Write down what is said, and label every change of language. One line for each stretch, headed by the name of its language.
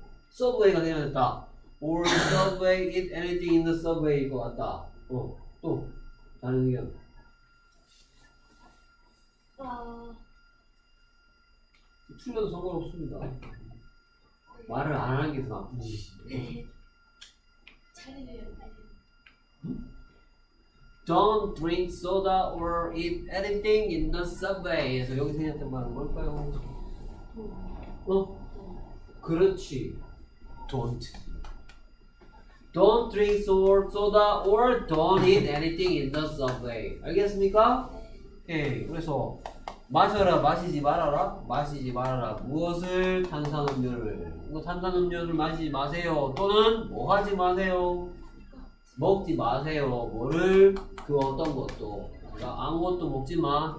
Korean: 서브웨이가 생각됐다.
English: Or subway, eat anything in the subway
Korean: 일 것 같다. 어, 또 다른 의견. 틀려도 상관없습니다. 말을 안 하는 게 더 아프지. 잘해줘요.
English: Don't drink soda or eat anything in the subway.
Korean: 그래서 여기 생겼던 말은 뭘까요? 어? 그렇지. Don't.
English: Don't drink soda or don't eat anything in the subway.
Korean: 알겠습니까? 네. 네. 그래서 마셔라, 마시지 말아라, 마시지 말아라. 무엇을? 탄산음료를. 탄산음료를 마시지 마세요. 또는 뭐 하지 마세요? 먹지 마세요. 뭐를? 그 어떤 것도. 그러니까 아무것도 먹지 마.